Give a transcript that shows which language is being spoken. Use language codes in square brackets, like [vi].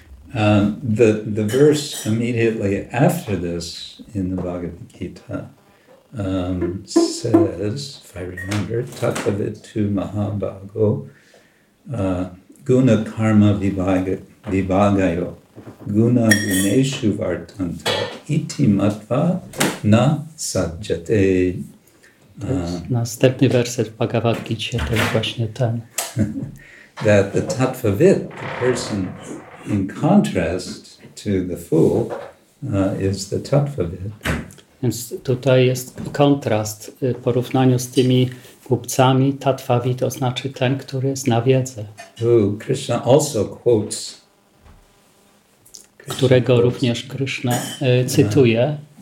[en] The verse immediately after this in the Bhagavad Gita says, if I remember, [sa] tathavitu mahabhago guna karma vibhagayo guna guneshu vartanta iti matva na sajjate. [pl] Następny werset w Bhagavad Gita to jest właśnie ten. [en] That the tathavit, the person, in contrast to the fool, is the tattvavid. [pl] Więc tutaj jest kontrast w porównaniu z tymi głupcami. Tattvavid to znaczy ten, który zna wiedzę. [en] Who Krishna also quotes. [pl] Którego również Krishna cytuje.